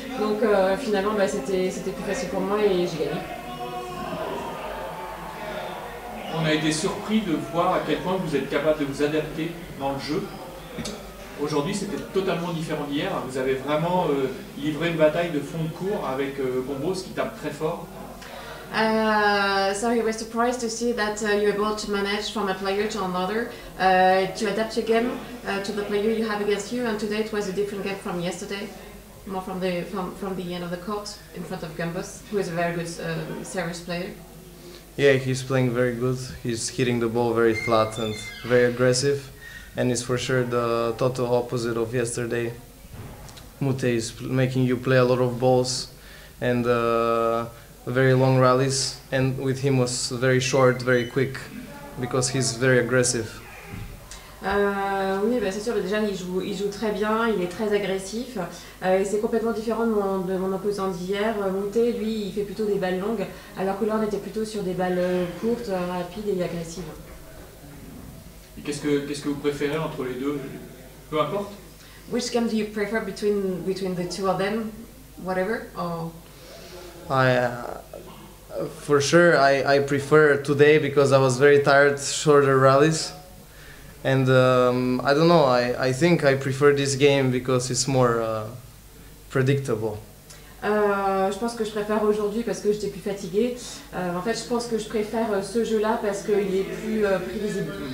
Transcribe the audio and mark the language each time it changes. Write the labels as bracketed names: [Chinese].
[French] Donc finalement, c'était plus facile pour moi et j'ai gagné. On a été surpris de voir à quel point vous êtes capable de vous adapter dans le jeu. Aujourd'hui, c'était totalement différent d'hier. Vous avez vraiment livré une bataille de fond de court avec Gombos qui tape très fort. [English] I was surprised to see that you're able to manage from a player to another, to adapt your game to the player you have against you. And today it was a different game from yesterday, more from the end of the court in front of Gombos, who is a very good service player. Yeah, he's playing very good. He's hitting the ball very flat and very aggressive, and it's for sure the total opposite of yesterday. Mute is making you play a lot of balls and very long rallies, and with him was very short, very quick, because he's very aggressive. [French] Oui, c'est sûr. Déjà, il joue très bien. Il est très agressif. Et c'est complètement différent de mon opposant d'hier. Mute, lui, il fait plutôt des balles longues, alors que là, on était plutôt sur des balles courtes, rapides et agressives. Et qu'est-ce que vous préférez entre les deux? Peu importe. [English] Which game do you prefer between the two of them, whatever? For sure, I prefer today because I was very tired, shorter rallies. And I don't know, I think I prefer this game because it's more predictable. [French] Je pense que je préfère aujourd'hui parce que j'étais plus fatiguée. En fait, je pense que je préfère ce jeu-là parce qu'il est plus prévisible.